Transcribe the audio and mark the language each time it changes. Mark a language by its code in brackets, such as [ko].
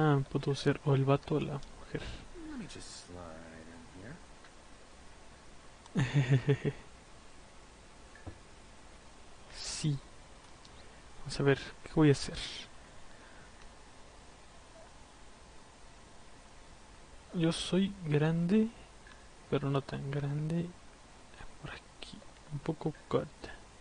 [es] Puedo ser o el vato o la mujer. [en] Let me just slide in here. [es] Sí. Vamos a ver, ¿qué voy a hacer? Yo soy grande, pero no tan grande. Por aquí, un poco corta.